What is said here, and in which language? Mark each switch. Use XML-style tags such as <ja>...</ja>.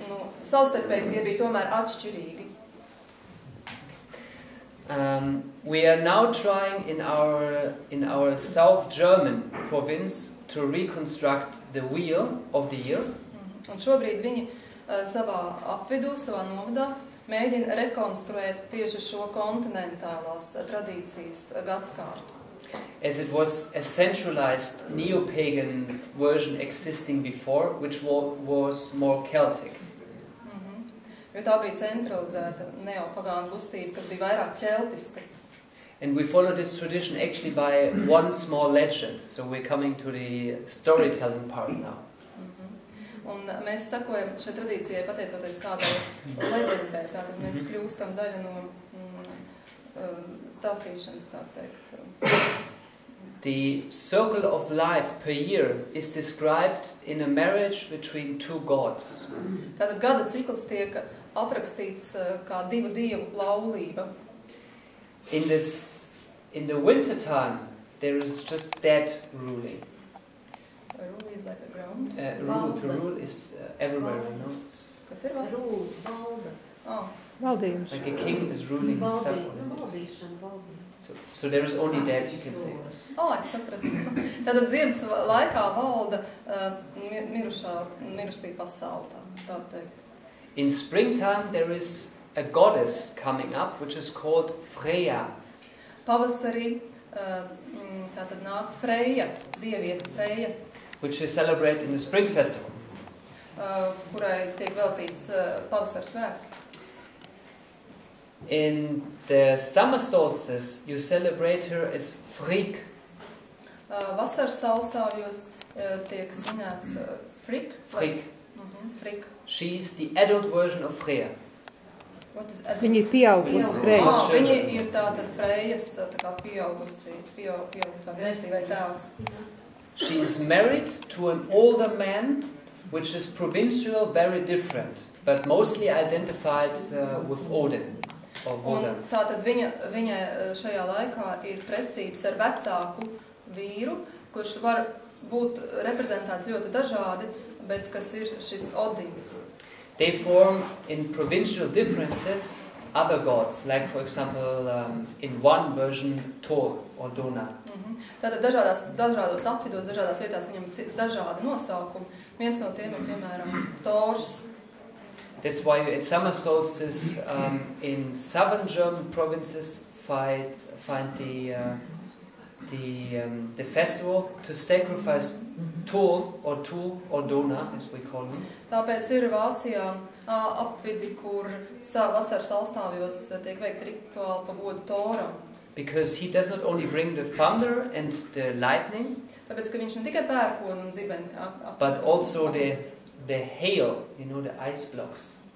<lv>Nu, savstarpēji tie bija tomēr atšķirīgi.</lv> <en>We are now trying in our South German province to reconstruct the wheel of the year.</en> <lv>Un šobrīd viņi savā apvidū, savā novadā, mēģina rekonstruēt tieši šo kontinentālās tradīcijas gadskārtu.</lv> <en>As it was a centralized neo-pagan version existing before, which was more Celtic.</en> <lv>Jo tā bija centralizēta neopagāna gustība, kas bija vairāk keltiska.</lv> <en>And we follow this tradition actually by one small legend, so we're coming to the storytelling part now.</en> <lv>Un mēs sakojam šai tradīcijai, pateicoties kādai leģendai, tātad mēs kļūstam daļa no stāstīšanas, tā teikt.</lv> <en>The circle of life per year is described in a marriage between two gods.</en> <lv>Tātad gada cikls tiek aprakstīts kā divu dievu laulība.</lv> <en>In the winter time there is just dead ruling. Like a ground? Rule is everywhere, you know?</en> <lv>Kas ir valde?</lv> <en>Rule,</en> <lv>valde. Oh.</lv> <en>Like a king is ruling valde. Someone. Valde. So there is only that, you can say.</en> <lv>Oh, es sapratu. Tātad ziemas laikā valda mirušī pasaule, tā teikt.</lv> <en>In springtime there is a goddess coming up, which is called Freya.</en> <lv>Pavasarī, tātad nāk Freya, dievieta Freya.</lv> <en>Which we celebrate in the spring festival.</en> <lv>Kurai tiek veltīts pavasara svētki.</lv> <en>In the summer solstice you celebrate her as Frigg.</en> <lv>Vasaras solstāvjos tiek svinēts Frigg. Frigg. Frigg.</lv> <en>She is the adult version of Freya. What is adult?</en> <lv>Viņa ir pieaugusi Freja. Oh, viņa ir tātad Frejas tā kā pieaugusi vai tās.</lv> <en>She is married to an older man which is provincial, very different, but mostly identified with Odin.</en> <lv>Un tātad viņa šajā laikā ir precības ar vecāku vīru, kurš var būt reprezentēts ļoti dažādi, bet kas ir šis Odins.</lv> <en>They form in provincial differences other gods, like for example in one version Thor or Dona.</en> <lv>Tātad dažādos apvidos, dažādās vietās viņam dažādi nosaukumi. Viens no tiem ir, piemēram, Thors.</lv> <en>That's why at summer solstices in southern German provinces find the festival to sacrifice Thor or Thor or Dona, as we call them.</en> <lv>Tāpēc ir Vācijā apvidi, kur vasaras solstāvjos tiek veikt rituāli pagodu Thoram.</lv> <en>Because he does not only bring the thunder and the lightning,</en> <lv>tāpēc, ka viņš ne tikai pērkona un zibeni,</lv> <en>but also the hail, you know, the ice blocks.</en>